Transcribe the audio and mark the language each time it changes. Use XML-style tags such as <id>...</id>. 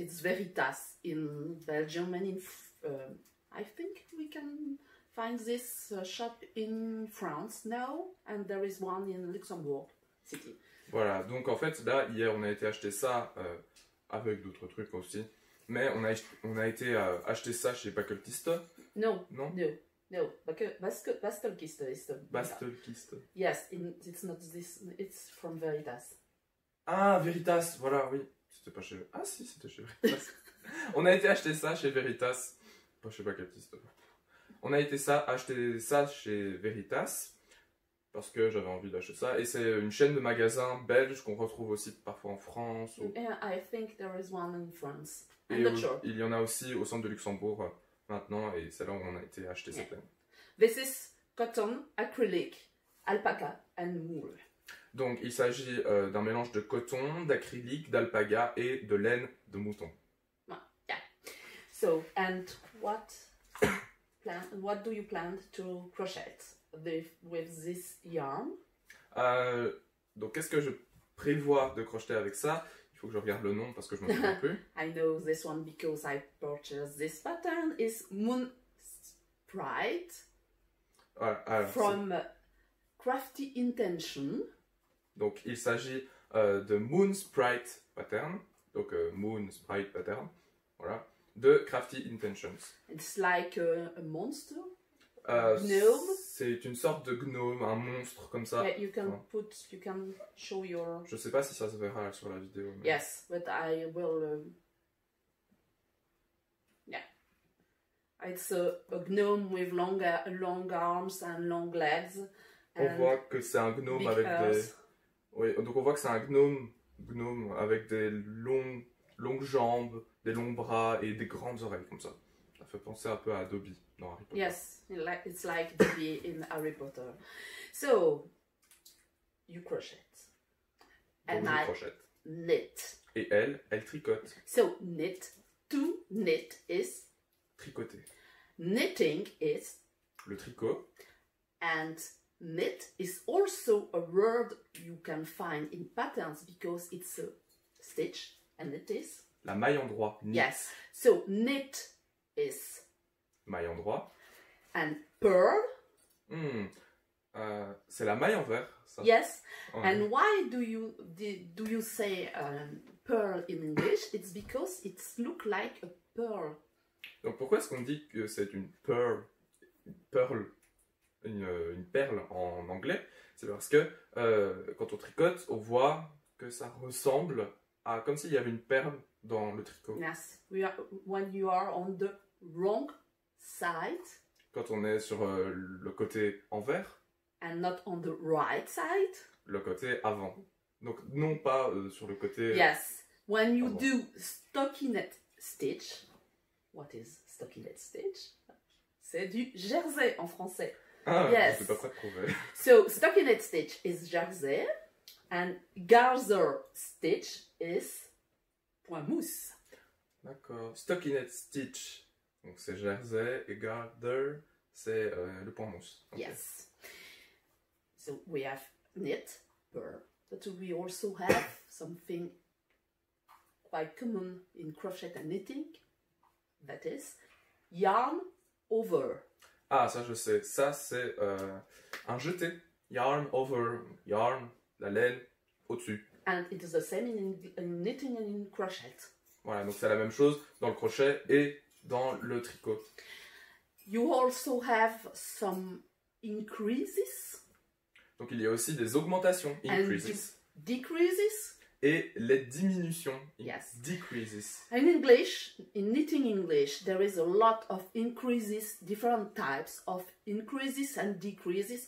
<en>It's Veritas in Belgium, and in I think we can find this shop in France now, and there is one in Luxembourg City.</en> <fr>Voilà, donc en fait, là, hier, on a été acheter ça avec d'autres trucs aussi, mais on a été acheter ça chez Bakkeltiste.</fr> <en>No, Bastelkiste is the... Bastelkiste. Yes, it's not this, it's from Veritas.</en> <fr>Ah, Veritas, voilà, oui. C'était pas chez... Ah si, c'était chez Veritas. On a été acheter ça chez Veritas. Pas chez Bakkeltiste. On a été acheter ça chez Veritas, parce que j'avais envie d'acheter ça. Et c'est une chaîne de magasins belges qu'on retrouve aussi parfois en France.</fr> <en>I think there is one in France.</en> <fr>Il y en a aussi au centre de Luxembourg. Maintenant, et c'est là où on a été acheter cette laine.</fr> <en>This is cotton, acrylic, alpaca and wool.</en> <fr>Donc, il s'agit d'un mélange de coton, d'acrylique, d'alpaga et de laine de mouton.</fr> <en>Yeah. So, and what plan? What do you plan to crochet with this yarn?</en> <fr>Donc, qu'est-ce que je prévois de crocheter avec ça? Faut que je regarde le nom parce que je m'en souviens plus.</fr> <en>I know this one because I purchased this pattern. It's Moon Sprite.</en> <fr>Alors,</fr> <en>from Crafty Intention.</en> <fr>Donc il s'agit de Moon Sprite pattern. Donc Moon Sprite pattern. Voilà. De Crafty Intentions.</fr> <en>It's like a monster. Gnome.</en> <fr>C'est une sorte de gnome, un monstre comme ça.</fr> <en>Yeah, you can enfin. Put, you can show your.</en> <fr>Je sais pas si ça se verra sur la vidéo. Mais...</fr> <en>Yes, but I will. Yeah, it's a gnome with long arms and long legs.</en> <fr>On voit que c'est un gnome avec des. Oui, donc on voit que c'est un gnome avec des longues jambes, des longs bras et des grandes oreilles comme ça. Ça fait penser un peu à Dobby dans Harry Potter.</fr> <en>Yes, it's like Dobby in Harry Potter. So, you crochet.</en> <fr>And je crochète.</fr> <en>Knit.</en> <fr>Et elle tricote.</fr> <en>So, knit. To knit is...</en> <fr>Tricoter.</fr> <en>Knitting is...</en> <fr>Le tricot.</fr> <en>And knit is also a word you can find in patterns because it's a stitch and it is...</en> <fr>La maille en droit. Knit.</fr> <en>Yes. So, knit... Is</en> <fr>maille en droit</fr> <en>and pearl</en> <fr>c'est la maille en verre ça.</fr> <en>Yes ouais. And why do you say pearl in English? It's because it looks like a pearl.</en> <fr>Donc pourquoi est-ce qu'on dit que c'est une perle en anglais? C'est parce que quand on tricote on voit que ça ressemble à comme s'il y avait une perle dans le tricot.</fr> <en>Yes, when you are on the wrong side.</en> <fr>Quand on est sur le côté envers.</fr> <en>And not on the right side.</en> <fr>Le côté avant. Donc non pas sur le côté.</fr> <en>Yes, when you avant. Do stockinette stitch. What is stockinette stitch?</en> <fr>C'est du jersey en français. Ah, yes. Je ne sais pas trouver.</fr> <en>So stockinette stitch is jersey, and garter stitch is point mousse.</en> <fr>D'accord. Stockinette stitch. Donc c'est jersey et garter, c'est le point mousse.</fr> <en>Okay. Yes. So we have knit, purr. But we also have something quite common in crochet and knitting. That is yarn over.</en> <fr>Ah, ça je sais. Ça c'est un jeté. Yarn over. Yarn, la laine, au-dessus.</fr> <en>And it is the same in knitting and in crochet.</en> <fr>Voilà, donc c'est la même chose dans le crochet et dans le tricot.</fr> <en>You also have some increases.</en> <fr>Donc il y a aussi des augmentations, increases.</fr> <en>And decreases.</en> <fr>Et les diminutions,</fr> <en>yes. Decreases. In English, in knitting English, there is a lot of increases, different types of increases and decreases.</en>